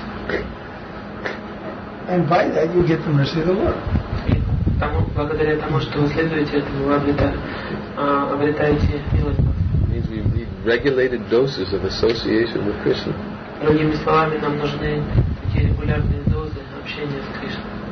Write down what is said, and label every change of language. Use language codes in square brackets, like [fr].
[en] And by that you get the mercy of the Lord. [ru] Благодаря тому, что вы следуете этому, вы обретаете милость. [en] Means we need regulated doses of association with Krishna. [ru] Другими словами, нам нужны такие регулярные дозы общения с Кришной.